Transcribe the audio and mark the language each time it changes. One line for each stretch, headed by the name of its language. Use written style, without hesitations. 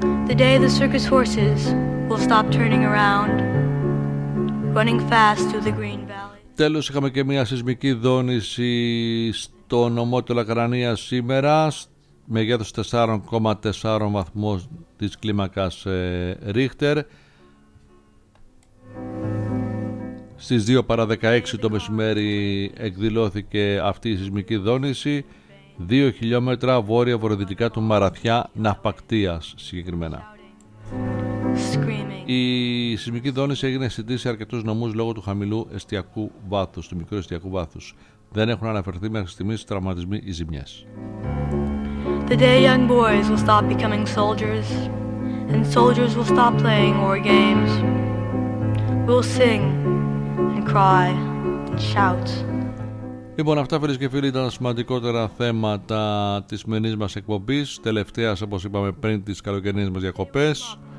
English: The day the circus horses will stop turning around, running fast through the green valley.
Greek: Τέλος, είχαμε και μια σεισμική δόνηση στο νομό του Λακρανία σήμερα, μεγέθους 4,4 βαθμούς της κλίμακας Ρίχτερ. Στις 2 παρά 16 το μεσημέρι εκδηλώθηκε αυτή η σεισμική δόνηση, 2 χιλιόμετρα βόρεια-βορειοδυτικά του Μαραθιά Ναυπακτίας συγκεκριμένα. Η σεισμική δόνηση έγινε αισθητή σε αρκετούς νομούς λόγω του χαμηλού εστιακού βάθους, του μικρού εστιακού βάθους. Δεν έχουν αναφερθεί μέχρι στιγμής τραυματισμοί ή ζημιές.
English: The day young boys will stop becoming soldiers and soldiers will stop playing war games. We'll sing and cry and shout
Greek: Λοιπόν, αυτά φίλες και φίλοι ήταν τα σημαντικότερα θέματα της σημερινής μας εκπομπής, τελευταίας όπως είπαμε πριν τις καλοκαιρινές μας διακοπές.